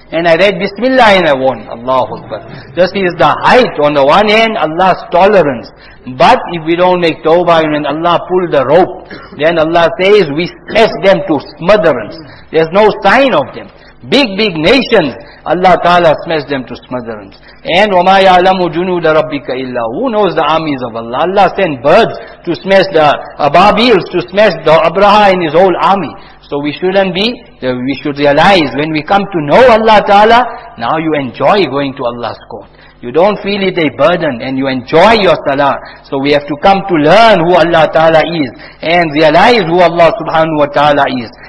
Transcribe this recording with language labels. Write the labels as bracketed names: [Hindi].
[English] And I read Bismillah and I won. Allahu Akbar. This is the height on the one hand, Allah's tolerance. But if we don't make tawbah and Allah pull the rope, then Allah says we slash them to smotherance. There's no sign of them. big nations, Allah Ta'ala smashed them to smithereens. And [Arabic] وَمَا يَعْلَمُ جُنُودَ رَبِّكَ إِلَّا. [English] Who knows the armies of Allah? Allah sent birds to smash the ababils, to smash the Abraha and his whole army. So we shouldn't be, we should realize, when we come to know Allah Ta'ala, now you enjoy going to Allah's court. You don't feel it a burden and you enjoy your salah. So we have to come to learn who Allah Ta'ala is and realize who Allah Subhanahu Wa Ta'ala is.